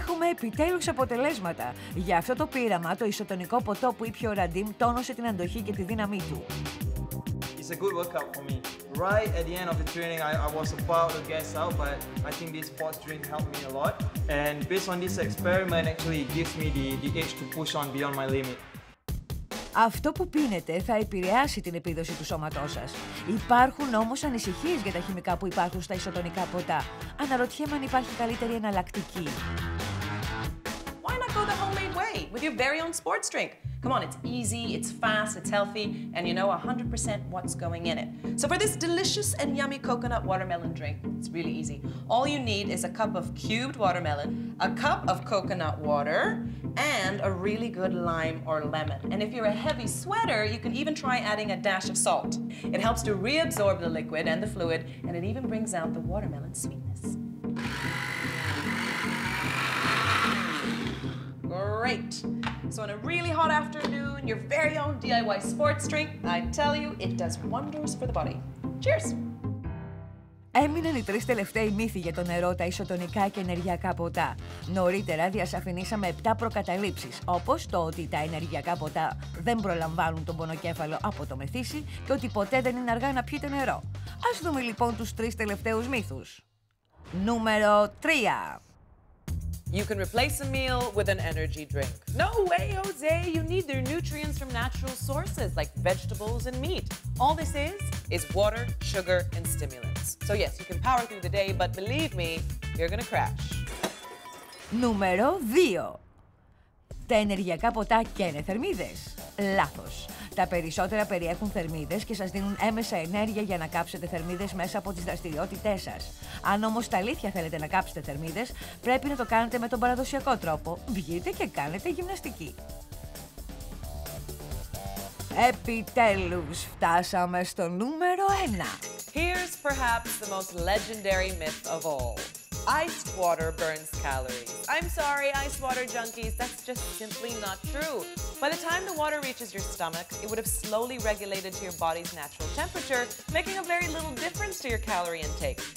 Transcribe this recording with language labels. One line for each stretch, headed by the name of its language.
Greek: Επιτέλους αποτελέσματα. Για αυτό το πείραμα, το ισοτονικό ποτό που ήπιε ο Ραντίμ τόνωσε την αντοχή και τη δύναμή του.
English: It's a good workout for me. Right at the end of the training, I was about to gas out, but I think this sports drink helped me a lot. And based on this experiment, actually, it gives me the edge to push on beyond my limit.
Greek: Αυτό που πίνετε θα επηρεάσει την επίδοση του σώματός σας. Υπάρχουν όμως ανησυχίες για τα χημικά που υπάρχουν στα ισοτονικά ποτά. Αναρωτιέμαι αν υπάρχει καλύτερη εναλλακτική.
English: Why not go the homemade way with your very own sports drink? Come on, it's easy, it's fast, it's healthy, and you know 100% what's going in it. So for this delicious and yummy coconut watermelon drink, it's really easy. All you need is a cup of cubed watermelon, a cup of coconut water, and a really good lime or lemon. And if you're a heavy sweater, you can even try adding a dash of salt. It helps to reabsorb the liquid and the fluid, and it even brings out the watermelon sweetness. Great. So on a really hot afternoon, your very own DIY sports drink, I tell you, it does wonders for the body. Cheers!
Greek: Έμειναν οι τρεις τελευταίοι μύθοι για το νερό, τα ισοτονικά και ενεργειακά ποτά. Νωρίτερα διασαφηνίσαμε 7 προκαταλήψεις, όπως το ότι τα ενεργειακά ποτά δεν προλαμβάνουν τον πονοκέφαλο από το μεθύσι και ότι ποτέ δεν είναι αργά να πιείτε νερό. Ας δούμε λοιπόν τους τρεις τελευταίους μύθους. Νούμερο 3.
English: You can replace a meal with an energy drink. No way, Jose! You need their nutrients from natural sources like vegetables and meat. All this is water, sugar, and stimulants. So yes, you can power through the day, but believe me, you're gonna crash. Numero 2.
Greek: Τα ενεργειακά ποτά καίνε θερμίδες. Λάθος. Τα περισσότερα περιέχουν θερμίδες και σας δίνουν έμεσα ενέργεια για να κάψετε θερμίδες μέσα από τις δραστηριότητές σας. Αν όμως τα αλήθεια θέλετε να κάψετε θερμίδες, πρέπει να το κάνετε με τον παραδοσιακό τρόπο. Βγείτε και κάνετε γυμναστική. Επιτέλους, φτάσαμε στο νούμερο 1.
English: Here's perhaps the most legendary myth of all. Iced water burns calories. I'm sorry, ice water junkies, that's just simply not true. By the time the water reaches your stomach, it would have slowly regulated to your body's natural temperature, making a very little difference to your calorie intake.